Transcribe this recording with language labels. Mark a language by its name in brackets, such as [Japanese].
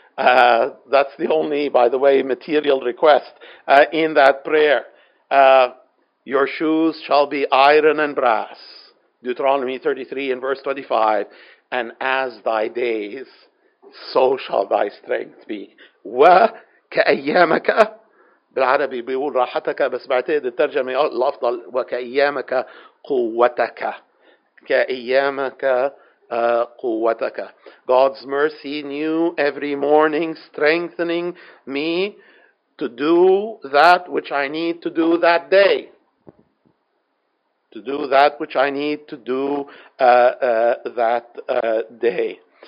[English] That's the only, by the way, material request in that prayer. Your shoes shall be iron and brass, Deuteronomy 33 and verse 25, and as thy days, so shall thy strength be. [Arabic] وكأيامك بالعربي بيقول راحتك بس بعتقد الترجمة الأفضل وكأيامك قوتك كأيامك قوتك. [English] God's mercy new every morning, strengthening me to do that which I need to do that day. To do that which I need to do that day.